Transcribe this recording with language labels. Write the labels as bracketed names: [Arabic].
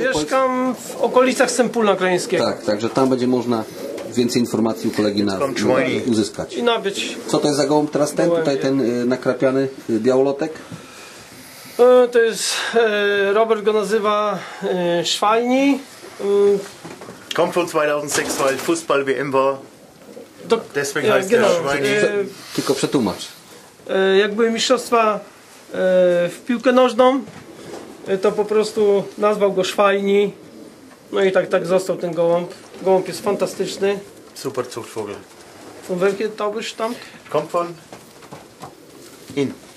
[Polish] Mieszkam w okolicach Sępólna Krajeńskiego. Tak, także tam będzie można więcej informacji u kolegi na uzyskać. I nabyć. Co to jest za gołąb teraz ten? Tutaj ten nakrapiany białolotek? To jest... Robert go nazywa Szwajni. [German] Kommt von 2006, weil Fußball WM war. Deswegen heißt er Szwajni. [Polish] Tylko przetłumacz. Jak były mistrzostwa w piłkę nożną, to po prostu nazwał go Szwajni. No i tak został ten gołąb. Gołąb jest fantastyczny. [German] Super Zuchtvogel. Von welcher Taube stammt? Kommt von In.